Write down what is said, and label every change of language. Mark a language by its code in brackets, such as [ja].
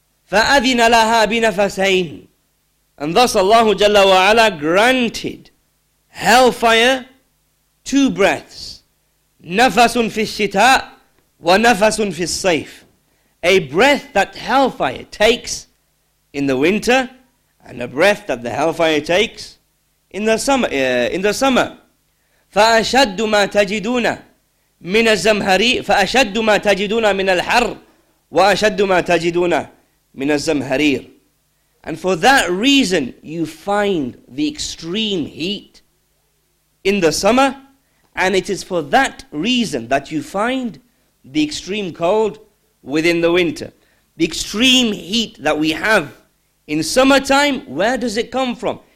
[ar] فَأَذِنَ لَهَا بِنَفَسَيْنِ. [en] And thus Allah Jalla wa Ala granted hellfire two breaths. [ar] نَفَسٌ فِي الشِّتَاءِ وَنَفَسٌ فِي الصَّيْفِ. [en] A breath that hellfire takes in the winter and a breath that the hellfire takes in the summer. [ar] فَأَشَدُّ مَا تَجِدُونَ من الزمهري فأشد ما تجدون من الحر وأشد ما تجدون من الزمهرير. [en] And for that reason you find the extreme heat in the summer, and it is for that reason that you find the extreme cold within the winter. The extreme heat that we have in summertime, where does it come from?